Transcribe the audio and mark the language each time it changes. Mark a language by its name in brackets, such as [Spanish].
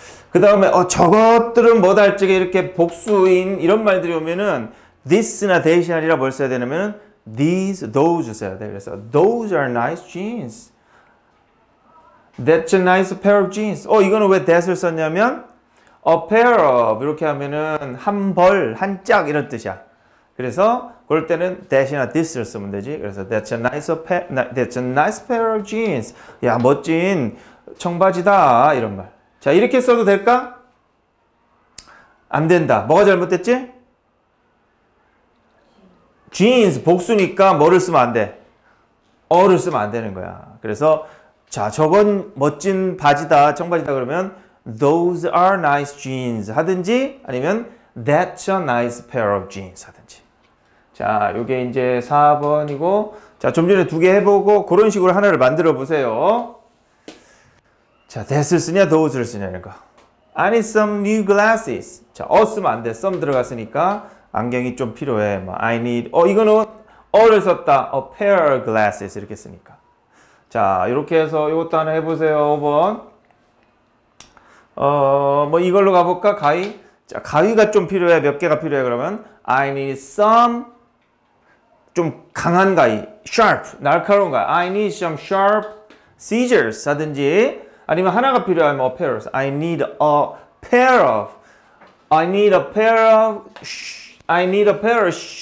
[Korean] 그 다음에 저것들은 뭐다 할지 이렇게 복수인 이런 말들이 오면은 this나 that이 아니라 뭘 써야 되냐면은 these, those 써야 돼. [English] 그래서 those are nice jeans. That's a nice pair of jeans. [Korean] 이거는 왜 that을 썼냐면 a pair of 이렇게 하면은 한 벌, 한 짝 이런 뜻이야. 그래서 그럴 때는 that이나 this를 쓰면 되지. [English] 그래서 that's a nice pair of jeans. [Korean] 야, 멋진 청바지다 이런 말. 자, 이렇게 써도 될까? 안 된다. 뭐가 잘못됐지? jeans, 복수니까 뭐를 쓰면 안 돼? 어를 쓰면 안 되는 거야. 그래서 자, 저건 멋진 바지다, 청바지다 그러면 [English] those are nice jeans [Korean] 하든지 아니면 [English] that's a nice pair of jeans [Korean] 하든지. 자, 이게 이제 4번이고 자, 좀 전에 두 개 해보고 그런 식으로 하나를 만들어 보세요. 자, that을 쓰냐, those를 쓰냐는 거. [English] I need some new glasses. [Korean] 자, 쓰면 안 돼. some 들어갔으니까 안경이 좀 필요해. 뭐, [English] I need, [Korean] 이거는 어를 썼다. [English] a pair of glasses [Korean] 이렇게 쓰니까. 자, 이렇게 해서 이것도 하나 해보세요. 5번. 뭐 이걸로 가볼까? 가위. 자, 가위가 좀 필요해. 몇 개가 필요해 그러면 [English] I need some [Korean] 좀 강한 가위. sharp, 날카로운 가위. [English] I need some sharp scissors [Korean] 하든지 아니면 하나가 필요하면 [English] a pair of. I need a pair of. I need a pair of. I need a pair of.